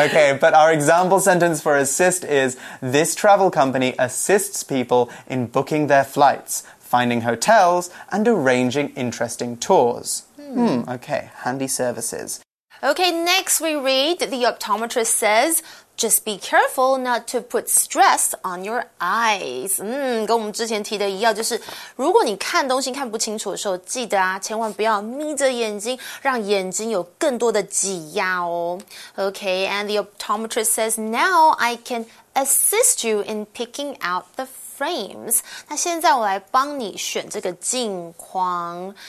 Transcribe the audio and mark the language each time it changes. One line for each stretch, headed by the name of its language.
English: Okay, but our example sentence for assist is, this travel company assists people in booking their flights, finding hotels, and arranging interesting tours. Okay, handy services. Okay, next we read, the optometrist says, just be careful not to put stress on your eyes.
Chinese: 跟我们之前提的一样，就是如果你看东西看不清楚的时候，记得啊，千万不要眯着眼睛，让眼睛有更多的挤压哦。
English: Okay, and the optometrist says, now I can assist you in picking out the frames.
Chinese: 那现在我来帮你选这个镜框。